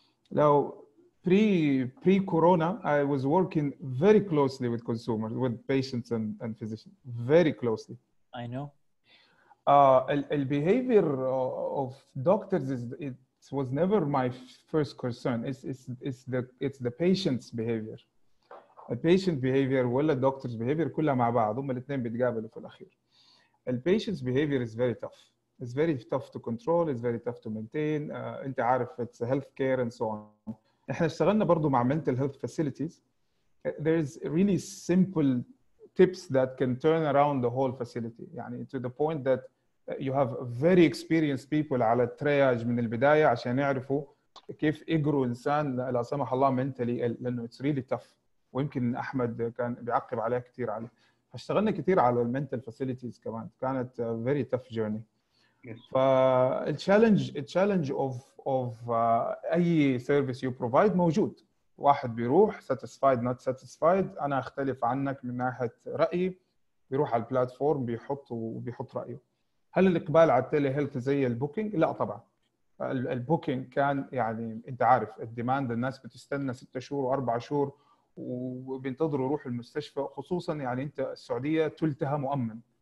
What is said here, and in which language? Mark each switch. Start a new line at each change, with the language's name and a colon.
English: لو pre corona I was working very closely with consumers, with patients and physicians, very closely. I know. The behavior of doctors is it was never my first concern. It's the patient's behavior. A patient behavior
Arabic: ولا
English: doctor's behavior
Arabic: كلها مع بعض هم الاثنين بيتقابلوا في الأخير.
English: The patient's behavior is very tough. It's very tough to control. It's very tough to maintain.
Arabic: أنت عارف
English: it's healthcare and so on.
Arabic: إحنا اشتغلنا برضو مع mental health facilities.
English: There's really simple tips that can turn around the whole facility. يعني to the point that you have very experienced people على triage
Arabic: من البداية عشان يعرفوا كيف يجروا إنسان لا سمح الله
English: mentally لأنه it's really tough.
Arabic: ويمكن أحمد كان بيعقب عليها كتير عليه. فاشتغلنا كتير على
English: mental facilities
Arabic: كمان.
English: كانت very tough journey. فالتشالنج of أي service you provide موجود.
Arabic: واحد بيروح
English: satisfied not satisfied.
Arabic: أنا أختلف عنك من ناحية رأيي. بيروح على البلاتفورم بيحط وبيحط رأيه. هل الإقبال على التيلي هيلث زي البوكينج؟ لا طبعا. البوكينج كان يعني أنت عارف الديماند الناس بتستنى 6 شهور وأربع شهور وبينتظروا يروح المستشفى خصوصا يعني أنت السعودية تلتها مؤمن.